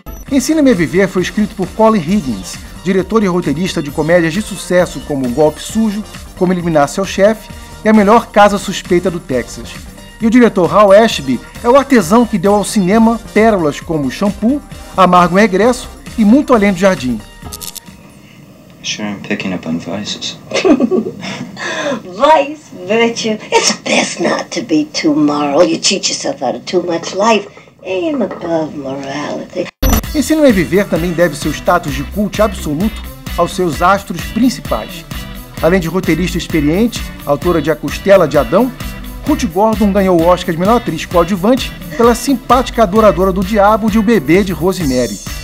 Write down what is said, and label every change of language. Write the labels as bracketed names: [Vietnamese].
[Portuguese] Ensina-me a Viver foi escrito por Colin Higgins, diretor e roteirista de comédias de sucesso como Golpe Sujo, Como Eliminar Seu Chefe e A Melhor Casa Suspeita do Texas. E o diretor Hal Ashby é o artesão que deu ao cinema pérolas como Shampoo, Amargo Regresso e Muito Além do Jardim. [English] Sure, I'm picking up on vices. Vice, virtue, it's best not to be too moral. You cheat yourself out of too much life. Aim above morality. [Portuguese] Ensina-me a Viver também deve seu status de culto absoluto aos seus astros principais. Além de roteirista experiente, autora de A Costela de Adão, Ruth Gordon ganhou o Oscar de Melhor Atriz Coadjuvante pela simpática adoradora do diabo de O Bebê de Rosemary.